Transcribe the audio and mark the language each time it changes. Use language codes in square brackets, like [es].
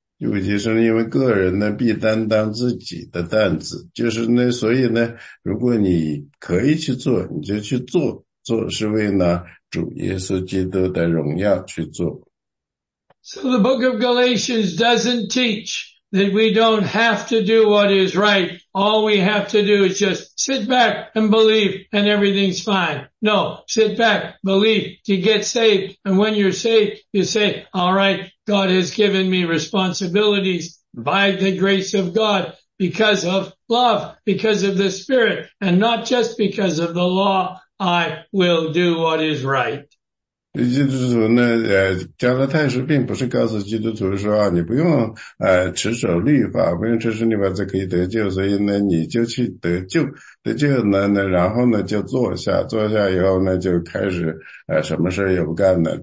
[zh] 因为其实因为个人呢必担当自己的担子，就是呢，所以呢，如果你可以去做，你就去做，做是为了主耶稣基督的荣耀去做。 [en] So the book of Galatians doesn't teach that we don't have to do what is right. All we have to do is just sit back and believe and everything's fine. No, sit back, believe to get saved. And when you're saved, you say, all right,God has given me responsibilities by the grace of God because of love, because of the Spirit, and not just because of the law. I will do what is right. [zh] 基督徒呢加拉太书并不是告诉基督徒说啊你不用持守律法，不用持守律法就可以得救，所以呢你就去得救，得救呢然后呢就坐下，坐下以后呢就开始什么事也不干了。